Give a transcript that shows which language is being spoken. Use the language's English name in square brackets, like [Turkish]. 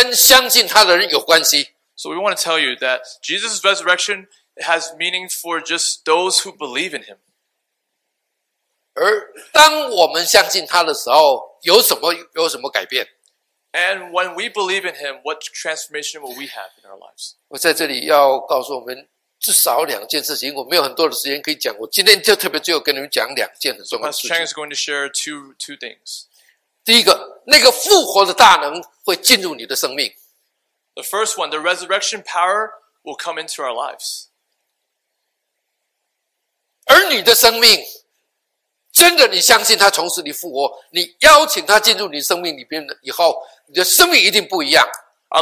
[Chinese] 所以请我们记得一件很重要的事情，耶稣从死里复活这件事情，只有跟相信他的人有关系。 [English] So we want to tell you that Jesus' resurrection has meaning for just those who believe in him. [Chinese] 而当我们相信他的时候，有什么改变？ [English] And when we believe in him, what transformation will we have in our lives? [Chinese] 我在这里要告诉我们至少两件事情，我没有很多的时间可以讲。我今天就特别最后跟你们讲两件很重要的事情。 [English] Chang is going to share two things. [Chinese] 第一个，那个复活的大能会进入你的生命。 [English] The first one, the resurrection power will come into our lives. [Chinese] 而你的生命。真的，你相信他从死里复活，你邀请他进入你生命里边以后，你的生命一定不一样。 [English] Our